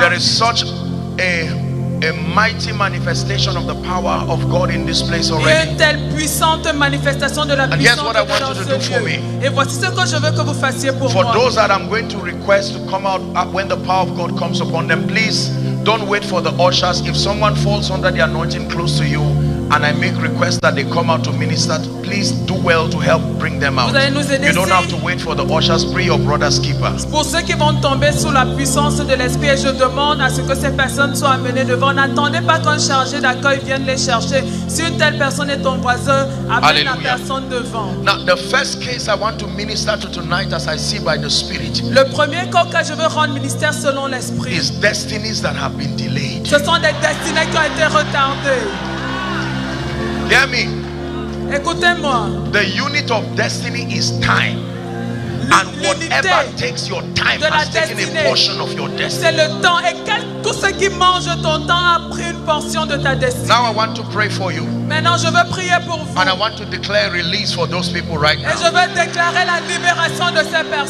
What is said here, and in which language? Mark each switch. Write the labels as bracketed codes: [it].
[en] There is such a mighty manifestation of the power of God in this place already. [fr] Une telle puissante manifestation de la puissance. [en] And here's what I want you to do for me. [fr] Et voici ce que je veux que vous fassiez pour moi. [en] For those that I'm going to request to come out when the power of God comes upon them, please don't wait for the ushers. If someone falls under the anointing close to you, and I make requests that they come out to minister, please do well to help bring them out. You don't have to wait for the ushers. Pray your brother's keeper. [fr] Pour ceux qui vont tomber sous la puissance de l'esprit, je demande à ce que ces personnes soient amenées devant. N'attendez pas qu'un chargé d'accueil vienne les chercher. Si une telle personne est ton voisin, amène la personne devant. [en] Now, the first case I want to minister to tonight, as I see by the Spirit. [fr] Le premier cas que je veux rendre ministère selon l'esprit. [en] Is destinies that have been delayed. [fr] Ce sont des destinées qui ont été retardées. [en] Hear me. [fr] Écoutez-moi. [en] The unit of destiny is time. And whatever takes your time has taken a portion of your destiny. [fr] C'est le temps. Et tout ce qui mange ton temps a pris une portion de ta destinée. [en] Now I want to pray for you. [fr] Maintenant, je veux prier pour vous. [en] And I want to declare release for those people right now. [fr] Et je veux déclarer la libération de ces personnes.